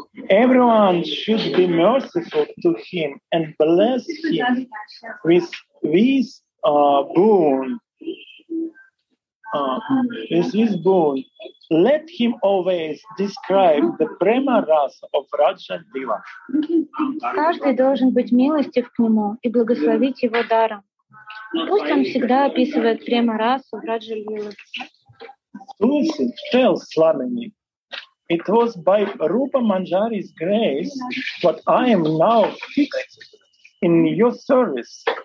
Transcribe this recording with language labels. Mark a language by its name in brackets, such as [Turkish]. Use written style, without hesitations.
[English] Everyone should be merciful to him and bless him with this boon. This boon. Let him always describe the prema rasa of Raja Diva. [Russian] Каждый должен быть милостив к нему и благословить его даром. Пусть он всегда описывает према расу Раджа Дива. [English] Tulsi tells Slamini, it was by Rupa Manjari's grace that I am now fixed in your service.